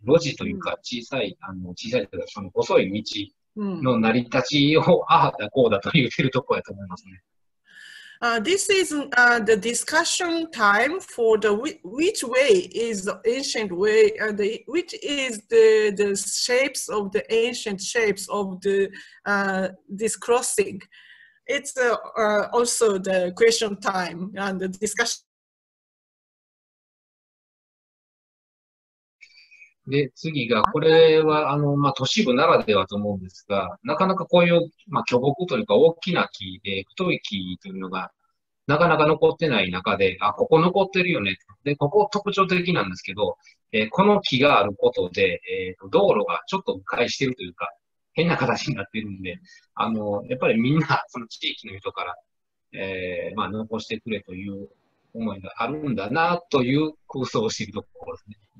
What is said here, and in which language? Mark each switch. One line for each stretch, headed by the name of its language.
Japanese: 路地というか小さい、小さいというかその細い道の成り立ちを、ああだこうだと言ってるところだと思いますね。
English: This is the discussion time for the which way is the ancient way and the, which is the shapes of the ancient shapes of the this crossing. It's also the question time and the discussion.
Japanese: で次がこれはまあ都市部ならではと思うんですが、なかなかこういうまあ巨木というか大きな木で太い木というのがなかなか残ってない中で、あ、ここ残ってるよね。で、ここ特徴的なんですけど、この木があることで、道路がちょっと迂回してるというか、変な形になってるんで、やっぱりみんな、その地域の人から、まあ、残してくれという思いがあるんだな、という空想をしているところですね。